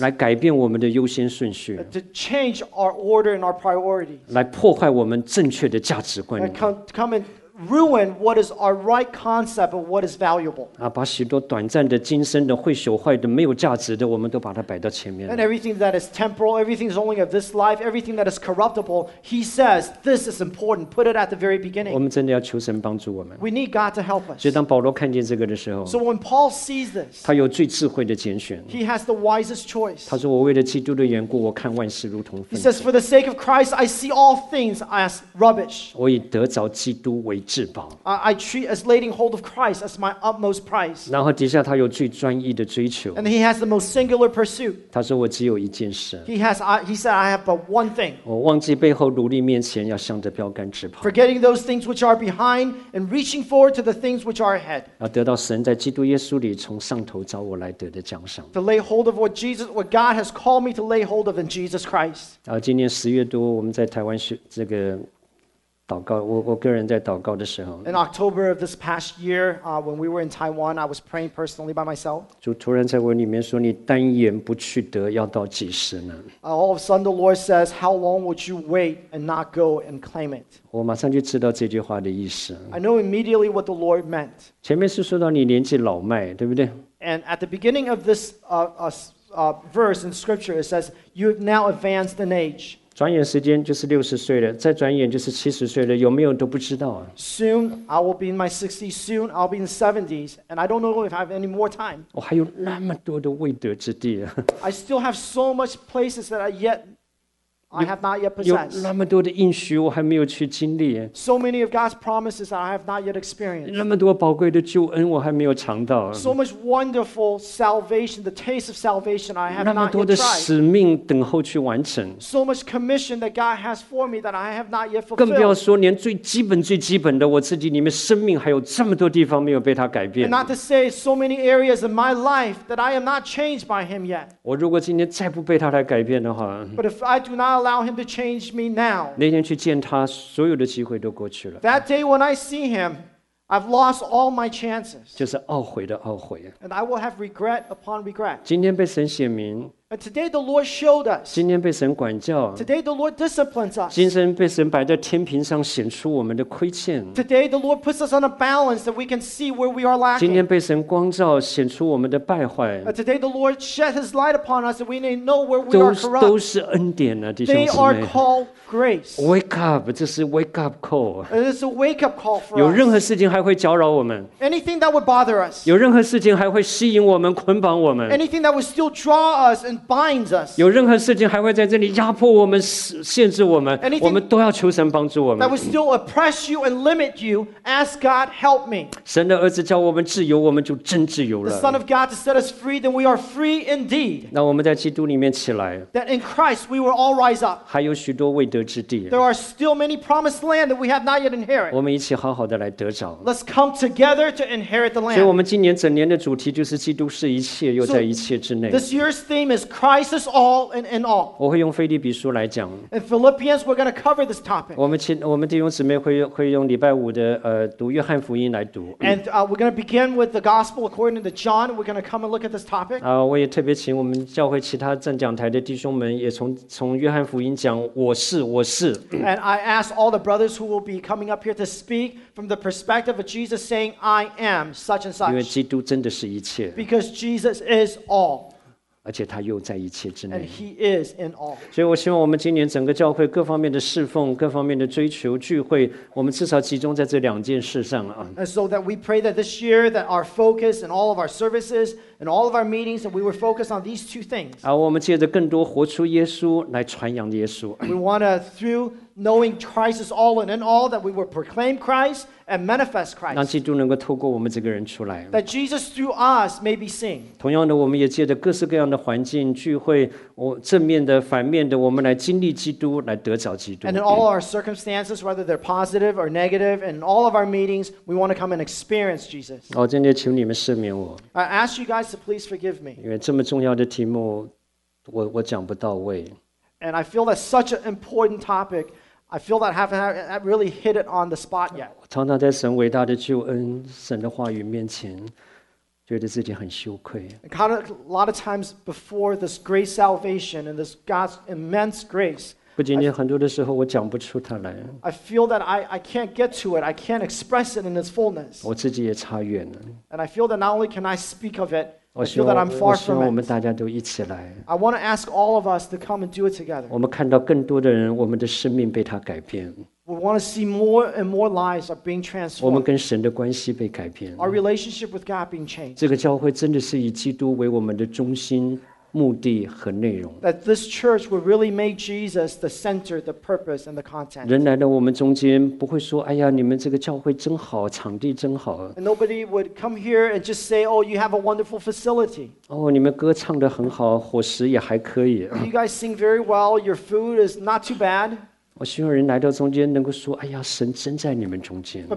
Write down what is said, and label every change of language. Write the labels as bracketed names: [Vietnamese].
[Chinese] 来改变我们的优先顺序。 [English] To change our order and our priorities. [Chinese] 来破坏我们正确的价值观。 [English] And come and ruin what is our right concept of what is valuable. [Chinese] 啊，把许多短暂的、今生的、会朽坏的、没有价值的，我们都把它摆到前面。 [English] And everything that is temporal, everything is only of this life, everything that is corruptible, he says, this is important. Put it at the very beginning. [Chinese] 我们真的要求神帮助我们。 [English] We need God to help us. [Chinese] 所以当保罗看见这个的时候 [English] ，So when Paul sees this, [Chinese] 他有最智慧的拣选。 [English] He has the wisest choice. [Chinese] 他说：“我为了基督的缘故，我看万事如同粪。” [English] He says, "For the sake of Christ, I see all things as rubbish." [Chinese] 我以得着基督为至宝。 [English] I treat as laying hold of Christ as my utmost prize. [Chinese] 然后底下他有最专一的追求。 [English] And he has the most singular pursuit. [Chinese] 他说我只有一件事。 [English] He said I have but one thing. [Chinese] 我忘记背后努力面前要向着标杆直跑。 [English] Forgetting those things which are behind and reaching forward to the things which are ahead. [Chinese] 要得到神在基督耶稣里从上头召我来得的奖赏。 [English] To lay hold of what God has called me to lay hold of in Jesus Christ. [Chinese] 今年十月多我们在台湾这个祷告 我个人在祷告的时候 [English] In October of this past year, when we were in Taiwan, I was praying personally by myself. [Chinese] 主突然在我里面说你单言不去得要到几时呢 [English] All of a sudden the Lord says, how long would you wait and not go and claim it? [Chinese] 我马上就知道这句话的意思 [English] I know immediately what the Lord meant. [Chinese] 前面是说到你年纪老迈对不对 [English] And at the beginning of this verse in scripture, it says, you have now advanced in age. [Chinese] 转眼时间就是六十岁了，再转眼就是七十岁了，有没有都不知道啊。 [English] Soon I will be in my 60s. Soon I'll be in the 70s, and I don't know if I have any more time. [Chinese] 我还有那么多的未得之地啊。 [English] I still have so much places that I have not yet possessed. [Chinese] 有那么多的应许我还没有去经历。 [English] So many of God's promises that I have not yet experienced. [Chinese] 那么多宝贵的救恩我还没有尝到。 [English] So much wonderful salvation, the taste of salvation I have not yet tried. [Chinese] 那么多的使命等候去完成。 [English] So much commission that God has for me that I have not yet fulfilled. [Chinese] 更不要说连最基本最基本的我自己里面生命还有这么多地方没有被他改变。 [English] And not to say so many areas of my life that I am not changed by him yet. [Chinese] 我如果今天再不被他来改变的话。 [English] But if I do not allow him to change me now. [Chinese] 那天去见他，所有的机会都过去了。 [English] That day when I see him, I've lost all my chances. [Chinese] 就是懊悔的懊悔。 [English] And I will have regret upon regret. [Chinese] 今天被神显明。 [English] And today the Lord showed us. [Chinese] 今天被神管教。 [English] Today the Lord disciplines us. [Chinese] 今生被神摆在天平上显出我们的亏欠。 [English] Today the Lord puts us on a balance that we can see where we are lacking. [Chinese] 今天被神光照显出我们的败坏。 [English] Today the Lord shed his light upon us that we may know where we are corrupt. [Chinese] 都是恩典啊，弟兄姊妹。 [English] They are called grace. Wake up, [Chinese] 这是 [English] wake up call. It is a wake up call for us. [Chinese] 有任何事情还会搅扰我们。 [English] Anything that would bother us. [Chinese] 有任何事情还会吸引我们捆绑我们。 [English] Anything that would still draw us and binds us. [Chinese] 有任何事情还会在这里压迫我们、限制我们，我们都要求神帮助我们。 [English] That would still oppress you and limit you. Ask God, help me. [Chinese] 神的儿子叫我们自由，我们就真自由了。 [English] The Son of God to set us free, then we are free indeed. [Chinese] 那我们在基督里面起来。 [English] That in Christ we will all rise up. [Chinese] 还有许多未得之地。 [English] There are still many promised land that we have not yet inherited. [Chinese] 我们一起好好的来得着。 [English] Let's come together to inherit the land. [Chinese] 所以我们今年整年的主题就是基督是一切，又在一切之内。 [English] This year's theme is Christ is all and in all. [Chinese] 我会用腓立比书来讲。 [English] In Philippians, we're going to cover this topic. [Chinese] 我们弟兄姊妹会用礼拜五的读约翰福音来读。 [English] And we're going to begin with the gospel according to John. We're going to come and look at this topic. [Chinese] 我也特别请我们教会其他站讲台的弟兄们也从约翰福音讲我是我是。 [English] And I ask all the brothers who will be coming up here to speak from the perspective of Jesus saying, I am such and such. [Chinese] 因为基督真的是一切。 [English] Because Jesus is all. [Chinese] 而且他又在一切之内。 [English] And he is in all. [Chinese] 所以我希望我们今年整个教会各方面的侍奉、各方面的追求、聚会，我们至少集中在这两件事上啊。 [English] And so that we pray that this year that our focus and all of our services and all of our meetings that we were focused on these two things. [Chinese] 我们借着更多活出耶稣来传扬耶稣。 [English] We want to through knowing Christ is all and in all that we will proclaim Christ and manifest Christ. [Chinese] 让基督能够透过我们这个人出来。 [English] That Jesus through us may be seen. [Chinese] 同样的，我们也借着各式各样的环境聚会，正面的、反面的，我们来经历基督，来得着基督。 [English] And in all our circumstances, whether they're positive or negative, in all of our meetings, we want to come and experience Jesus. [Chinese] 今天求你们赦免我。 [English] I ask you guys to please forgive me. [Chinese] 因为这么重要的题目，我讲不到位。 [English] And I feel that such an important topic. I feel that I haven't really hit it on the spot yet. [Chinese] 我常常在神伟大的救恩、神的话语面前，觉得自己很羞愧。 [English] A lot of times before this great salvation and this God's immense grace, [Chinese] 不仅仅很多的时候我讲不出它来。 [English] I feel that I can't get to it. I can't express it in its fullness. [Chinese] 我自己也差远了。 [English] And I feel that not only can I speak of it. I feel that I'm far from it. [Chinese] 我希望我们大家都一起来。 [English] I want to ask all of us to come and do it together. [Chinese] 我们看到更多的人，我们的生命被他改变。 [English] We want to see more and more lives are being transformed. [Chinese] 我们跟神的关系被改变。 [English] Our relationship with God being changed. [Chinese] 这个教会真的是以基督为我们的中心、目的和内容。 [English] That this church will really make Jesus the center, the purpose, and the content. [Chinese] 人来到我们中间，不会说：“哎呀，你们这个教会真好，场地真好。” [English] And nobody would come here and just say, "Oh, you have a wonderful facility." [Chinese] 你们歌唱得很好，伙食也还可以。 [English] You guys sing very well. Your food is not too bad. [Chinese] 我希望人来到中间能够说：“哎呀，神真在你们中间。”